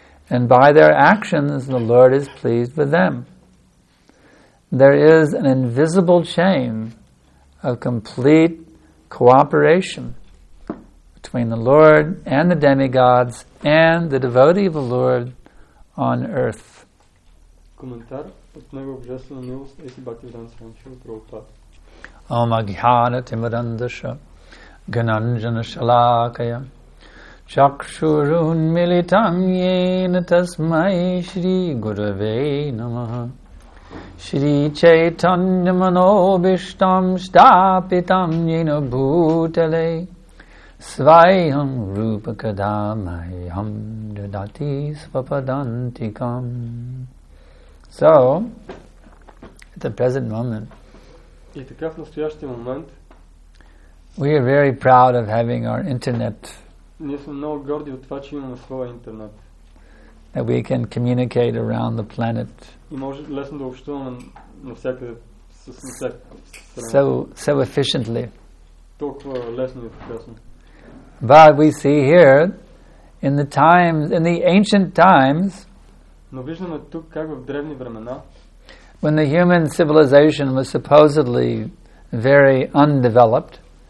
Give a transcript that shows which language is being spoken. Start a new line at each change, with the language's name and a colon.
English: And by their actions, the Lord is pleased with them. There is an invisible chain of complete cooperation between the Lord and the demigods and the devotee of the Lord on earth.
Bulgarian: Коментар от Него Божествена милост Еси Бхактивиданта Свами Шрила Прабхупада.
Sanskrit: Ом Агьяна Тимирандаша Гананджана Шалакая Чакшурунмилитам Йена Тасмай Шри Гураве Намаха Шри Чайтанья Манобиштам Штапитам Йена Бхутале Svayam Rupa Kadamayam Dadati Svapadantikam.
English: So, at the present moment,
Bulgarian: и така в настоящия момент,
English: we are very proud of having our internet.
Bulgarian: Ние сме много горди от това, че имаме своя интернет.
English: That we can communicate around the planet.
Bulgarian: И може лесно да общуваме на всякъде, с всяка страна.
English: So efficiently.
Bulgarian: Толкова лесно и ефикасно.
English: But we see here in the times, in the ancient times,
Bulgarian: но виждаме тук как в древни времена,
English: when the human civilization was supposedly very undeveloped,